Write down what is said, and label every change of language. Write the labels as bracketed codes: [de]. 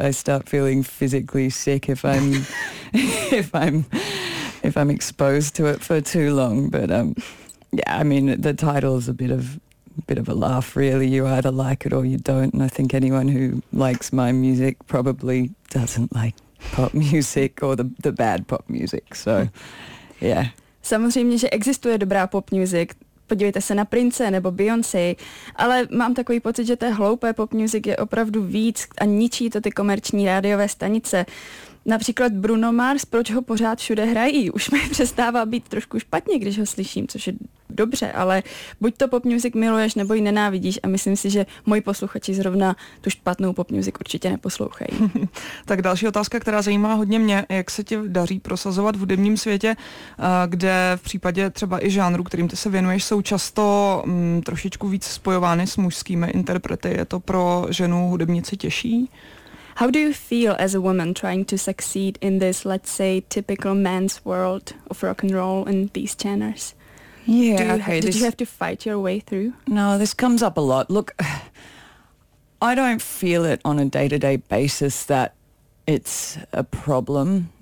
[en] I start feeling physically sick if I'm exposed to it for too long, but yeah, I mean, the title is a bit of a laugh, really. You either like it or you don't. And I think anyone who likes my music probably doesn't like pop music or the bad pop music. So, yeah. [cs] Samozřejmě, že existuje dobrá pop music. Podívejte se na Prince nebo Beyoncé. Ale mám takový pocit, že té hloupé pop music je opravdu víc a ničí to ty komerční rádiové stanice. Například Bruno Mars, proč ho pořád všude hrají? Už mi přestává být trošku špatně, když ho slyším, což je dobře, ale buď to pop music miluješ, nebo ji nenávidíš a myslím si, že moji posluchači zrovna tu špatnou pop music určitě neposlouchají. Tak další otázka, která zajímá hodně mě, jak se ti daří prosazovat v hudebním světě, kde v případě třeba i žánru, kterým ty se věnuješ, jsou často trošičku víc spojovány s mužskými interprety. Je to pro ženu hudebnici těžší? [en] How do you feel as a woman trying to succeed in this, let's say, typical man's world of rock and roll and these genres? Yeah, did you have to fight your way through? No, this comes up a lot. Look, I don't feel it on a day-to-day basis that it's a problem.